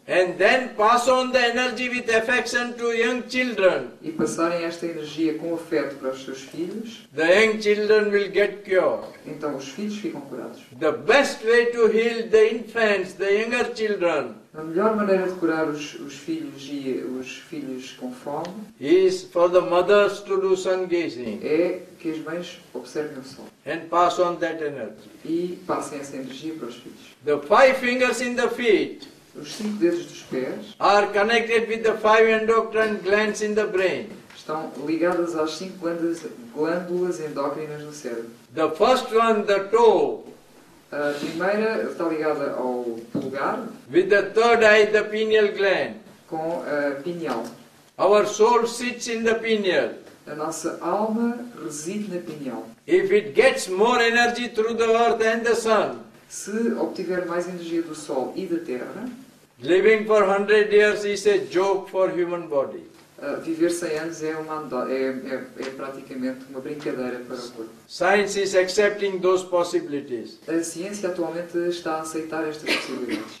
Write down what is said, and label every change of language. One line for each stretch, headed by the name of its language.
English: And then pass on the energy with affection to young children.
Portuguese: E passarem esta energia com afeto para os seus filhos.
English: The young children will get cured.
Portuguese: Então os filhos ficam curados.
English: The best way to heal the infants, the younger children.
Portuguese: A melhor maneira de curar os filhos e os filhos com fome.
English: Is for the mothers to do sun gazing.
Portuguese: É que as mães observem o sol.
English: And pass on that energy.
Portuguese: E passem essa energia para os filhos.
English: The five fingers in the feet.
Portuguese: Os cinco dedos dos pés.
English: Are connected with the five endocrine glands in the brain.
Portuguese: Estão ligadas às cinco glândulas endócrinas no cérebro.
English: The first one, the toe.
Portuguese: A primeira está ligada ao pulgar.
English: With the third eye, the pineal gland.
Portuguese: Com a pineal.
English: Our soul sits in the pineal.
Portuguese: A nossa alma reside na pineal.
English: If it gets more energy through the earth and the sun.
Portuguese: Se obtiver mais energia do sol e da terra.
English: Living for 100 years is a joke for human body.
Portuguese: Viver 100 anos é praticamente uma brincadeira para o corpo.
English: Science is accepting those possibilities.
Portuguese: A ciência atualmente está a aceitar estas possibilidades.